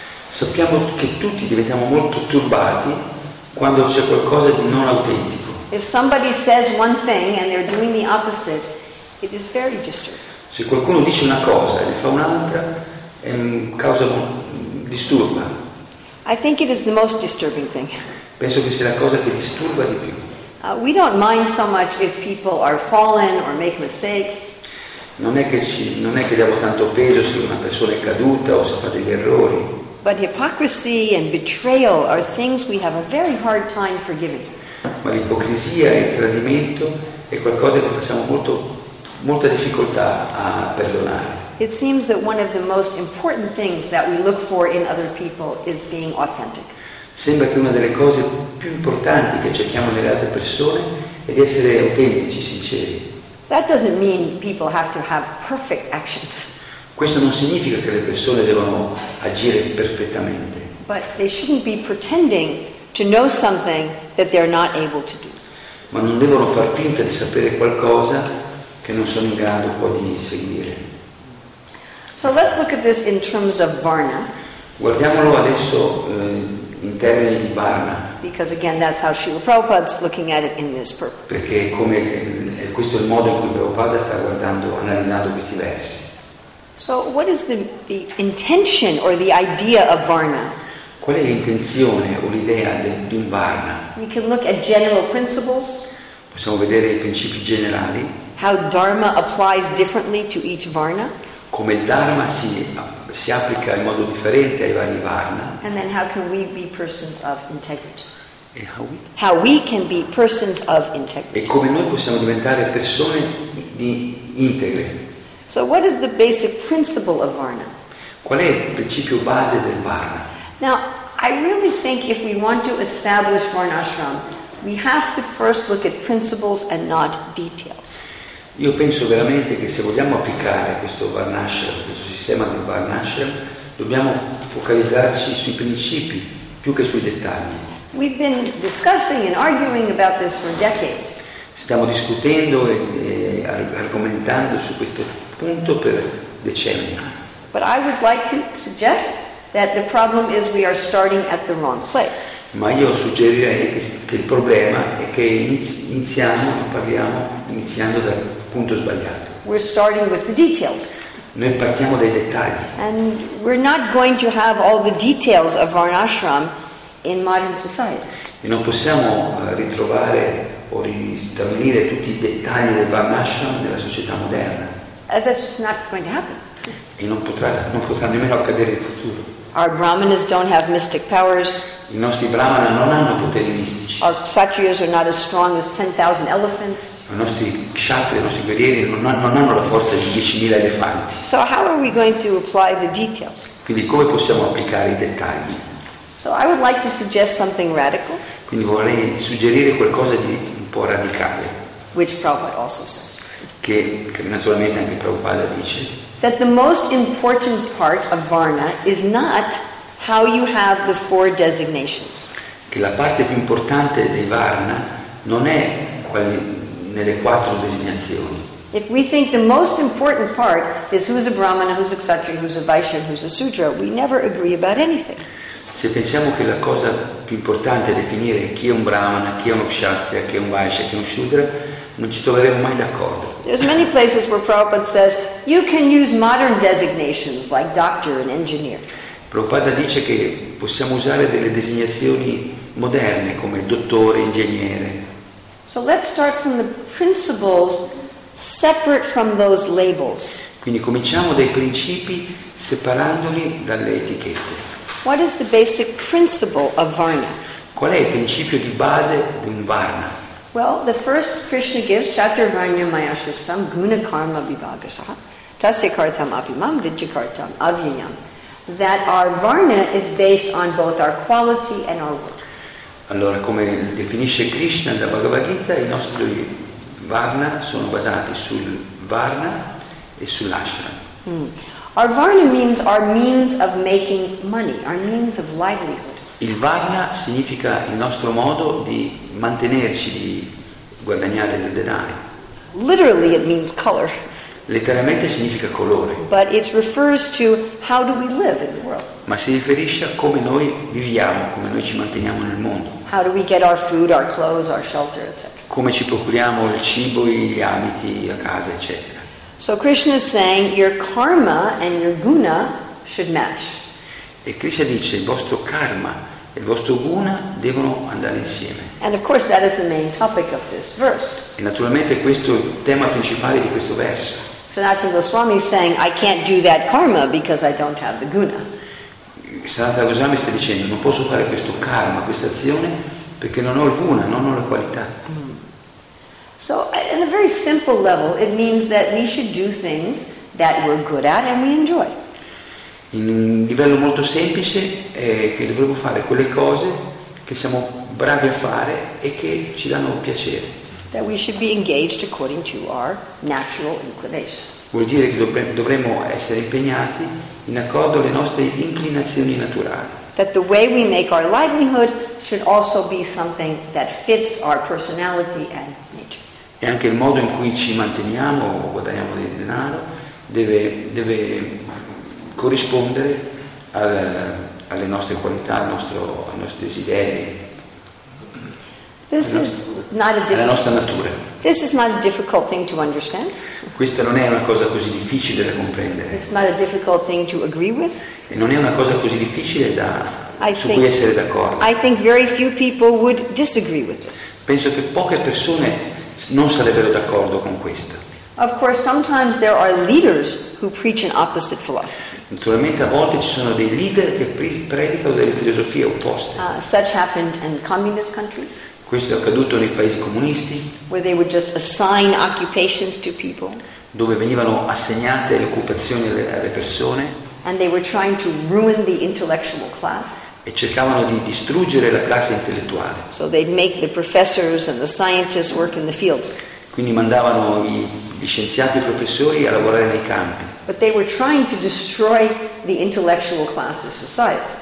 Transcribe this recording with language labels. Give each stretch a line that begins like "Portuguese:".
Italian: Sappiamo che tutti diventiamo molto turbati quando c'è qualcosa di non autentico.
English: If somebody says one thing and they're doing the opposite, it is very disturbing.
Italian: Se qualcuno dice una cosa e ne fa un'altra, causa disturba.
English: I think it is the most disturbing thing.
Italian: Penso che sia la cosa che disturba di più.
English: We don't mind so much if people are fallen or make mistakes.
Italian: Non è che diamo tanto peso se una persona è caduta o se fa degli errori.
English: But hypocrisy and betrayal are things we have a very hard time forgiving.
Italian: Ma l'ipocrisia e il tradimento è qualcosa che facciamo molto molta difficoltà a perdonare.
English: It seems that one of the most important things that we look for in other people is being authentic.
Italian: Sembra che una delle cose più importanti che cerchiamo nelle altre persone è di essere autentici, sinceri.
English: That doesn't mean people have to have perfect actions.
Italian: Questo non significa che le persone devono agire perfettamente.
English: But they shouldn't be pretending to know something that they're not able to do.
Italian: Ma non devono far finta di sapere qualcosa che non sono in grado poi di seguire.
English: So let's look at this in terms of varna.
Italian: Guardiamolo adesso in termini di varna.
English: Because again, that's how Srila Prabhupada's looking at it in this purport.
Italian: Perché questo è il modo in cui Prabhupada sta guardando, analizzando questi versi.
English: So what is the intention or the idea of varna?
Italian: Qual è l'intenzione o l'idea di un varna?
English: We can look at general principles.
Italian: Possiamo vedere i principi generali.
English: How dharma applies differently to each varna.
Italian: Come il dharma si applica in modo differente ai vari varna.
English: And then how can we be persons of integrity?
Italian: E
English: how we can be persons of integrity.
Italian: E come noi possiamo diventare persone di integre.
English: So what is the basic principle of varna?
Italian: Qual è il principio base del varna?
English: Now, I really think if we want to establish varnashram, we have to first look at principles and not details.
Italian: Io penso veramente che se vogliamo applicare questo varnashram, questo sistema di varnashram, dobbiamo focalizzarci sui principi più che sui dettagli.
English: We've been discussing and arguing about this for decades.
Italian: Stiamo discutendo e argomentando su questo punto per decenni.
English: But I would like to suggest that the problem is we are starting at the wrong place.
Italian: Ma io suggerirei che il problema è che iniziamo dal punto sbagliato.
English: We're starting with the details.
Italian: Noi partiamo dai dettagli.
English: And we're not going to have all the details of varnashram in modern society.
Italian: E non possiamo ritrovare o ristabilire tutti i dettagli del varnashram nella società moderna.
English: And that's just not going to happen.
Italian: E non potrà nemmeno accadere in futuro.
English: Our brahmanas don't have mystic powers.
Italian: I nostri brahmana non hanno poteri mistici.
English: Our kshatriyas are not as strong as 10,000 elephants.
Italian: I nostri kshatri, i nostri guerrieri non hanno la forza di 10,000 elefanti.
English: So how are we going to apply the details?
Italian: Quindi come possiamo applicare i dettagli?
English: So I would like to suggest something radical.
Italian: Quindi vorrei suggerire qualcosa di un po' radicale.
English: Which Prabhupada also says.
Italian: Che naturalmente anche Prabhupada dice.
English: That the most important part of varna is not how you have the four designations.
Italian: Che la parte più importante di varna non è quali nelle quattro designazioni.
English: If we think the most important part is who's a brahmana, who's a kshatriya, who's a vaishya, who's a sudra, we never agree about anything.
Italian: Se pensiamo che la cosa più importante è definire chi è un brahmana, chi è uno kshatriya, chi è un vaishya, chi è un sudra, non ci troveremo mai d'accordo.
English: There's many places where Prabhupada says you can use modern designations like doctor and engineer.
Italian: Prabhupada dice che possiamo usare delle designazioni moderne come dottore, ingegnere.
English: So let's start from the principles separate from those labels.
Italian: Quindi cominciamo dai principi separandoli dalle etichette.
English: What is the basic principle of Varna?
Italian: Qual è il principio di base di un Varna?
English: Well, the first Krishna gives,
Sanskrit: Chaturvarnya Mayashastam, Guna Karma Vibhagasat, Tasyakartam Apimam, Vijakartam Avinyam,
English: that our Varna is based on both our quality and our work.
Italian: Allora, come definisce Krishna nella Bhagavad Gita, i nostri Varna sono basati sul Varna e sull'Ashram. Mm.
English: Our Varna means our means of making money, our means of livelihood.
Italian: Il Varna significa il nostro modo di mantenerci, di guadagnare del denaro.
English: Literally it means color.
Italian: Letteralmente significa colore.
English: But it refers to how do we live in the world.
Italian: Ma si riferisce a come noi viviamo, come noi ci manteniamo nel mondo.
English: How do we get our food, our clothes, our shelter, etc.
Italian: Come ci procuriamo il cibo, gli abiti, la casa, eccetera.
English: So Krishna is saying your karma and your guna should match.
Italian: E Krishna dice il vostro karma e il vostro guna devono andare insieme.
English: And of course that is the main topic of this verse.
Italian: E naturalmente questo è il tema principale di questo verso.
English: Sanatana Goswami is saying I can't do that karma because I don't have the guna.
Italian: Sanatana Goswami sta dicendo non posso fare questo karma, questa azione perché non ho il guna, non ho la qualità. Mm.
English: So in a very simple level it means that we should do things that we're good at and we enjoy.
Italian: In un livello molto semplice è che dovremmo fare quelle cose che siamo bravi a fare e che ci danno piacere.
English: That we should be engaged according to our natural inclinations.
Italian: Vuol dire che dovremmo essere impegnati in accordo alle nostre inclinazioni naturali.
English: That the way we make our livelihood should also be something that fits our personality and nature.
Italian: E anche il modo in cui ci manteniamo o guadagniamo del denaro deve corrispondere alle nostre qualità, ai nostri desideri.
English: This is not a
Italian: alla nostra natura.
English: This is not a difficult thing to understand.
Italian: Questa non è una cosa così difficile da comprendere.
English: It's not a difficult thing to agree with.
Italian: E non è una cosa così difficile da su cui essere d'accordo.
English: I think very few people would disagree with this.
Italian: Penso che poche persone non sarebbero d'accordo con questo.
English: Of course, sometimes there are leaders who preach an opposite philosophy.
Italian: Naturalmente, a volte ci sono dei leader che predicano delle filosofie opposte.
English: Such happened in communist countries.
Italian: Questo è accaduto nei paesi comunisti.
English: Where they would just assign occupations to people.
Italian: Dove venivano assegnate le occupazioni alle persone.
English: And they were trying to ruin the intellectual class.
Italian: E cercavano di distruggere la classe intellettuale.
English: So they'd make the professors and the scientists work in the fields.
Italian: Quindi mandavano gli scienziati, i professori a lavorare nei campi.
English: But they were trying to destroy the intellectual class of society.